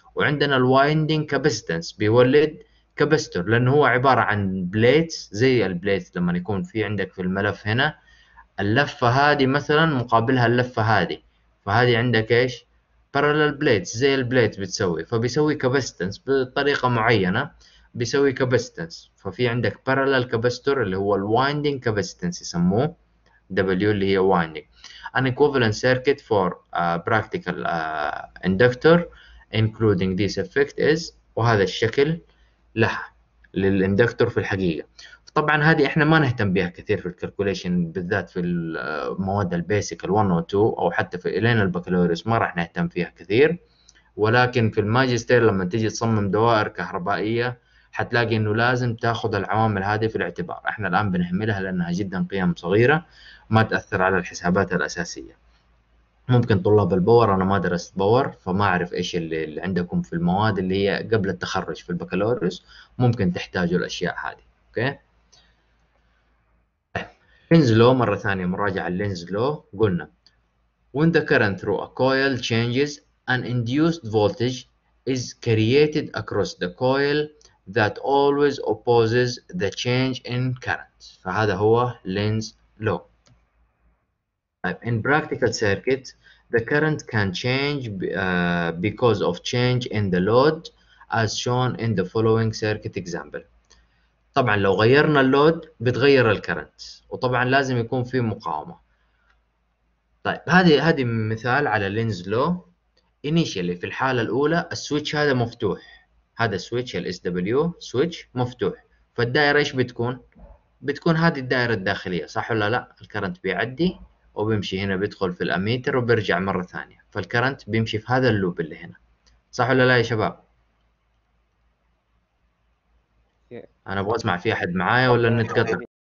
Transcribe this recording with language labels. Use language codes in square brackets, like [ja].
[ar] وعندنا الوايندينج كاباسيتنس بيولد كاباسيتور لأنه هو عبارة عن بليتس، زي البليتس لما يكون في عندك في الملف هنا اللفة هذه مثلا مقابلها اللفة هذه، فهذه عندك ايش؟ بارلل بليتس زي البليت بتسوي، فبيسوي كاباسيتنس بطريقة معينة بيسوي كاباسيتنس. ففي عندك بارلل كاباسيتور اللي هو الوايندينج كاباسيتنس يسموه W اللي هي winding. [en] An equivalent circuit for practical inductor including this effect is، [ar] وهذا الشكل لها للاندكتور في الحقيقة. طبعا هذه احنا ما نهتم بها كثير في الكالكوليشن، بالذات في المواد البيسك ال1 و2 او حتى في الين البكالوريوس ما راح نهتم فيها كثير، ولكن في الماجستير لما تيجي تصمم دوائر كهربائيه حتلاقي انه لازم تاخذ العوامل هذه في الاعتبار. احنا الان بنهملها لانها جدا قيم صغيره ما تاثر على الحسابات الاساسيه. ممكن طلاب الباور، انا ما درست باور فما اعرف ايش اللي عندكم في المواد اللي هي قبل التخرج في البكالوريوس ممكن تحتاجوا الاشياء هذه. اوكي، لينز لو مره ثانيه، مراجعه لينز لو. [en] قلنا when the current through a coil changes an induced voltage is created across the coil that always opposes the change in current. [ar] فهذا هو لينز لو. [en] In practical circuit the current can change because of change in the load as shown in the following circuit example. [ar] طبعا لو غيرنا اللود بتغير الكرنت، وطبعا لازم يكون في مقاومه. طيب هذه مثال على لينز لو. انيشيالي في الحاله الاولى السويتش هذا مفتوح، هذا سويتش الاس دبليو سويتش مفتوح، فالدائره ايش بتكون؟ بتكون هذه الدائره الداخليه، صح ولا لا؟ الكرنت بيعدي وبيمشي هنا، بيدخل في الاميتر وبيرجع مره ثانيه، فالكرنت بيمشي في هذا اللوب اللي هنا، صح ولا لا يا شباب؟ انا ابغى اسمع في احد معايا ولا نتقطع؟